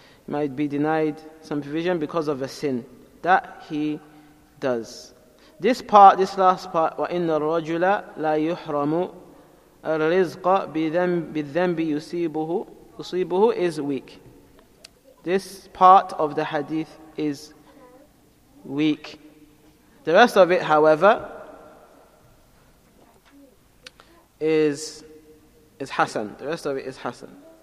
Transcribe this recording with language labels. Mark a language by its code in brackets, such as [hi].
[en] He might be denied some provision because of a sin that he does. This last part, [ar] وَإِنَّ الرَّجُلَ لَا يُحْرَمُ الرِّزْقَ بِذَنْبِ يُصِيبُهُ [en] is weak. This part of the hadith is weak. The rest of it, however, is Hassan. The rest of it is Hassan.